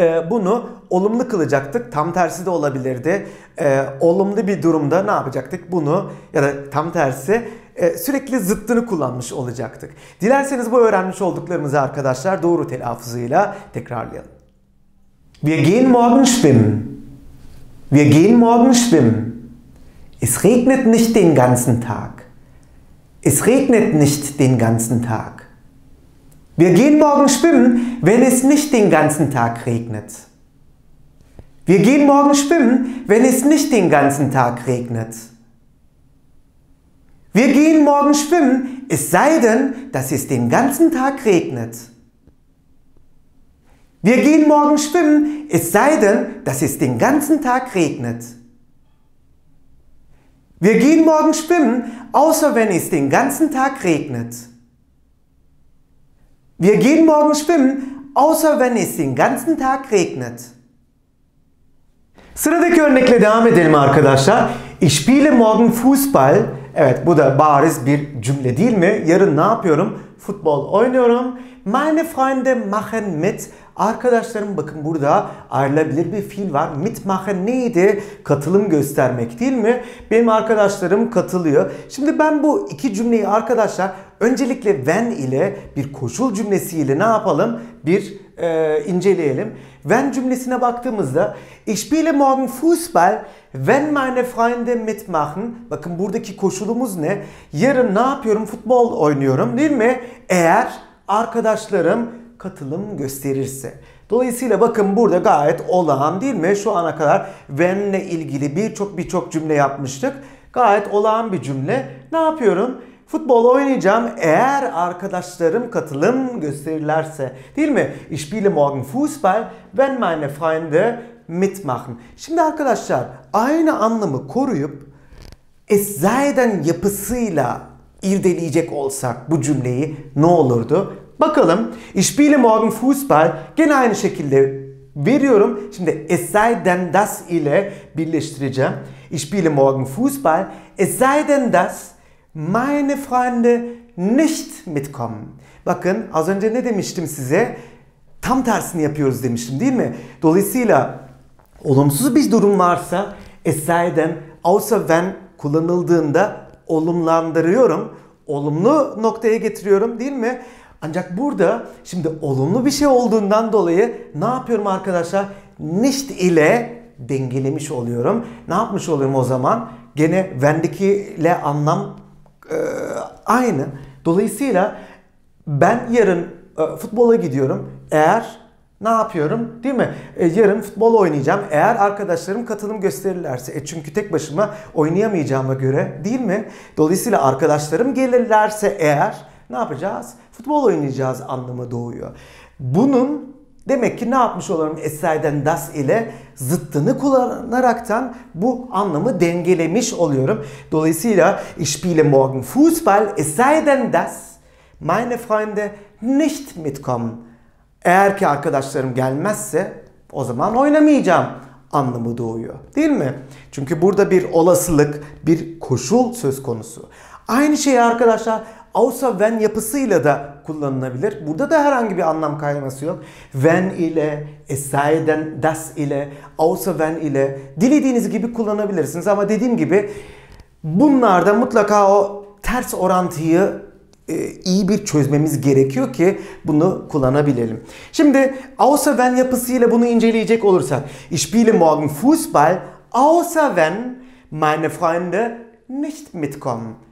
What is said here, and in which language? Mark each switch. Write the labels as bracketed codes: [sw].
[tr] Bunu olumlu kılacaktık. Tam tersi de olabilirdi. Olumlu bir durumda ne yapacaktık? Bunu ya da tam tersi sürekli zıttını kullanmış olacaktık. Dilerseniz bu öğrenmiş olduklarımızı arkadaşlar doğru telaffuzuyla tekrarlayalım. [de] Wir gehen morgen schwimmen. Wir gehen morgen schwimmen. Es regnet nicht den ganzen Tag. Es regnet nicht den ganzen Tag. Wir gehen morgen schwimmen, wenn es nicht den ganzen Tag regnet. Wir gehen morgen schwimmen, wenn es nicht den ganzen Tag regnet. Wir gehen morgen schwimmen, es sei denn, dass es den ganzen Tag regnet. Wir gehen morgen schwimmen, es sei denn, dass es den ganzen Tag regnet. Wir gehen morgen schwimmen, außer wenn es den ganzen Tag regnet. Wir gehen morgen schwimmen, außer wenn es den ganzen Tag regnet. [tr] Sıradaki örnekle devam edelim arkadaşlar. [de] Ich spiele morgen Fußball. [tr] Evet, bu da bariz bir cümle değil mi? Yarın ne yapıyorum? Futbol oynuyorum. [de] Meine Freunde machen mit. [tr] Arkadaşlarım bakın burada ayrılabilir bir fiil var. Mitmachen neydi? Katılım göstermek değil mi? Benim arkadaşlarım katılıyor. Şimdi ben bu iki cümleyi arkadaşlar öncelikle wenn ile bir koşul cümlesiyle ne yapalım? Bir inceleyelim. Wenn cümlesine baktığımızda [de] Ich spiele morgen Fußball, wenn meine Freunde mitmachen. [tr] Bakın buradaki koşulumuz ne? Yarın ne yapıyorum? Futbol oynuyorum değil mi? Eğer arkadaşlarım katılım gösterirse. Dolayısıyla bakın burada gayet olağan değil mi? Şu ana kadar wenn'le ilgili birçok cümle yapmıştık. Gayet olağan bir cümle. Ne yapıyorum? Futbol oynayacağım eğer arkadaşlarım katılım gösterirlerse. Değil mi? [de] Ich spiele morgen Fußball, wenn meine Freunde mitmachen. [tr] Şimdi arkadaşlar aynı anlamı koruyup es sei denn yapısıyla irdeleyecek olsak bu cümleyi ne olurdu? Bakalım. [de] Ich spiele morgen Fußball. [tr] Gene aynı şekilde veriyorum. Şimdi es sei denn das ile birleştireceğim. [de] Ich spiele morgen Fußball. Es sei denn das meine Freunde nicht mitkommen. [tr] Bakın az önce ne demiştim size? Tam tersini yapıyoruz demiştim değil mi? Dolayısıyla olumsuz bir durum varsa es sei denn, außer wenn kullanıldığında olumlandırıyorum. Olumlu noktaya getiriyorum değil mi? Ancak burada şimdi olumlu bir şey olduğundan dolayı ne yapıyorum arkadaşlar? Nicht ile dengelemiş oluyorum. Ne yapmış oluyorum o zaman? Gene wenn'deki ile anlam aynı. Dolayısıyla ben yarın futbola gidiyorum. Eğer ne yapıyorum değil mi? Yarın futbol oynayacağım. Eğer arkadaşlarım katılım gösterirlerse. Çünkü tek başıma oynayamayacağıma göre değil mi? Dolayısıyla arkadaşlarım gelirlerse eğer ne yapacağız? Futbol oynayacağız anlamı doğuyor. Bunun demek ki ne yapmış olurum? Es sei denn das ile zıttını kullanaraktan bu anlamı dengelemiş oluyorum. Dolayısıyla [de] ich spiele morgen Fußball. Es sei denn das meine Freunde nicht mitkommen. [tr] Eğer ki arkadaşlarım gelmezse o zaman oynamayacağım anlamı doğuyor. Değil mi? Çünkü burada bir olasılık, bir koşul söz konusu. Aynı şeyi arkadaşlar außer wenn yapısıyla da kullanılabilir. Burada da herhangi bir anlam kayması yok. Wenn ile, es sei denn das ile, außer wenn ile dilediğiniz gibi kullanabilirsiniz. Ama dediğim gibi bunlarda mutlaka o ters orantıyı iyi bir çözmemiz gerekiyor ki bunu kullanabilelim. Şimdi außer wenn yapısıyla bunu inceleyecek olursak. [de] Ich spiele morgen Fußball, außer wenn meine Freunde nicht mitkommen.